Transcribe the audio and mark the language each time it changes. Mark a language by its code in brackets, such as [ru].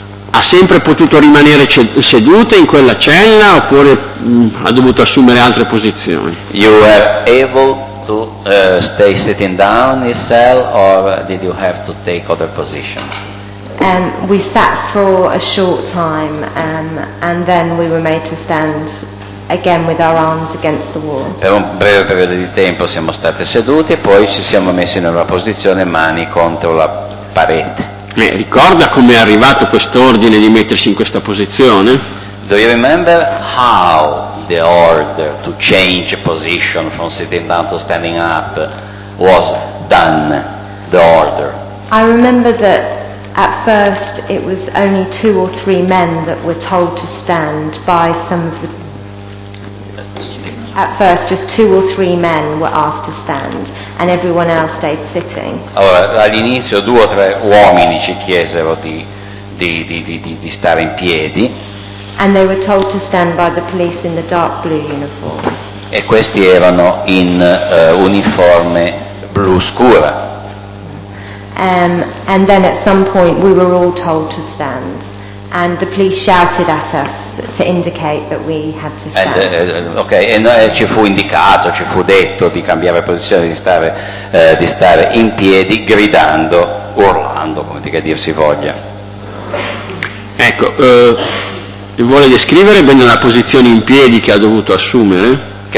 [it] Ha sempre potuto rimanere seduta in quella cella oppure ha dovuto assumere altre posizioni? [en] You were able to stay sitting down in cell or did you have to take other positions? We sat for a short time and then we were made to stand again with our arms against the wall. [it] Per un breve periodo di tempo siamo state sedute e poi ci siamo messi in una posizione mani contro la parete. Ricorda come è arrivato quest'ordine di mettersi in questa posizione? [en] Do you remember how the order to change position from sitting down to standing up was done? The order. I remember that at first it was only two or three men that were told to stand by some of the. At first, just two or three men were asked to stand, and everyone else stayed sitting. [it] Allora, all'inizio due o tre uomini ci chiesero di stare in piedi. [en] And they were told to stand by the police in the dark blue uniforms. [it] E questi erano in uniforme blu scura. [en] And then at some point we were all told to stand. And the police shouted at us to indicate that we had to stand. [it] Ci fu indicato, ci fu detto di cambiare posizione, di stare in piedi, gridando, urlando, come dica dir si voglia. Ecco, vuole descrivere bene la posizione in piedi che ha dovuto assumere?